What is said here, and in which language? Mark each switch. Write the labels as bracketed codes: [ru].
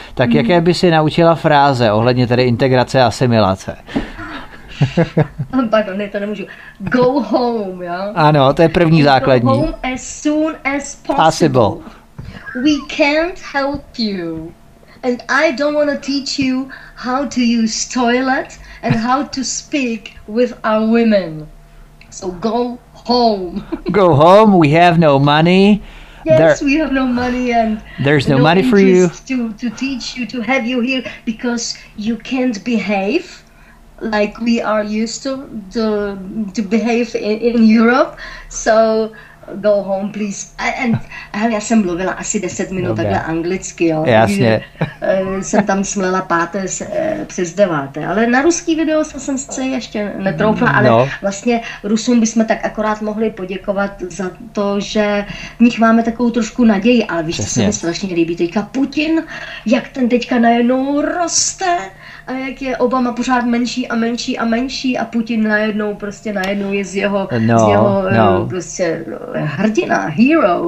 [cs] Tak jaké by si naučila fráze ohledně tedy integrace asimilace. Pardon, ne, to nemůžu. [en] Go home, [cs] jo? Ano, to je první základní. [en] Go home as soon as possible. We can't help you. And I don't want to teach you how to use toilet and how to speak with our women. So go home. Go home, we have no money. Yes, we have no money and there's no money for you to teach you, to have you here, because you can't behave like we are used to behave in Europe. So go home, please. [cs] Já jsem mluvila asi 10 minut takhle anglicky, jo. Jasně. Jsem tam smlela páté přes deváté, ale na ruský video jsem se ještě netroufla, ale vlastně Rusům bychom tak akorát mohli poděkovat za to, že v nich máme takovou trošku naději, ale víš, co se mi strašně líbí teďka Putin, jak ten teďka najednou roste, a jak je Obama pořád menší a menší a menší a Putin najednou prostě najednou je z jeho prostě hrdina, hero.